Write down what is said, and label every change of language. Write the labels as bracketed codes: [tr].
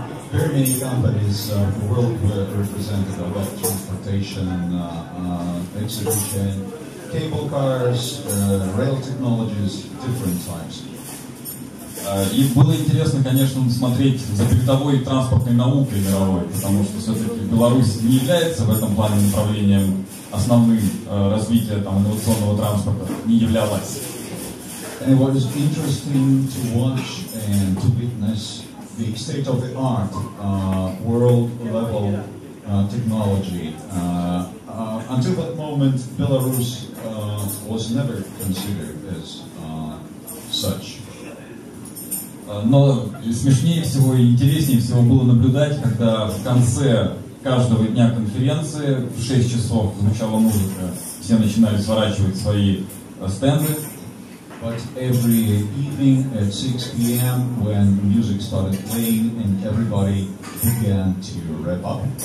[en] Very many companies worldwide represented about transportation exhibition, cable cars, rail technologies, different types. [ru] И было интересно, конечно, смотреть за передовой транспортной наукой мировой, потому что все-таки Беларусь не является в этом плане направлением основным развития там инновационного транспорта, не являлась. [en] And it was interesting to watch and to witness the state of the art world level technology. Until that moment, Belarus was never considered as such. [ru] Но смешнее всего и интереснее всего было наблюдать, когда в конце каждого дня конференции в 6 часов звучала музыка, все начинали сворачивать свои стенды. [en] But every evening at 6 p.m. when music started playing and everybody began to wrap up.